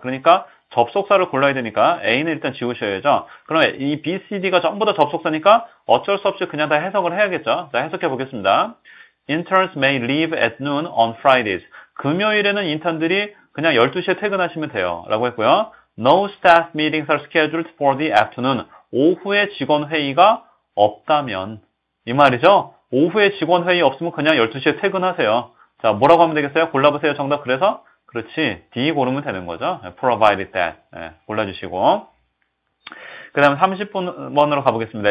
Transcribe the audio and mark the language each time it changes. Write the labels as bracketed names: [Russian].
[Korean] 그러니까 접속사를 골라야 되니까 A는 일단 지우셔야죠. 그러면 이 B, C, D가 전부 다 접속사니까 어쩔 수 없이 그냥 다 해석을 해야겠죠. 자, 해석해 보겠습니다. [English] Interns may leave at noon on Fridays. [Korean] 금요일에는 인턴들이 그냥 12시에 퇴근하시면 돼요. 라고 했고요. [English] No staff meetings are scheduled for the afternoon. [Korean] 오후에 직원 회의가 없다면. 이 말이죠. 오후에 직원 회의 없으면 그냥 12시에 퇴근하세요. 자, 뭐라고 하면 되겠어요? 골라보세요. 정답. 그래서? 그렇지. D 고르면 되는 거죠. Provided that. 네, 골라주시고. 그 다음 30번으로 가보겠습니다.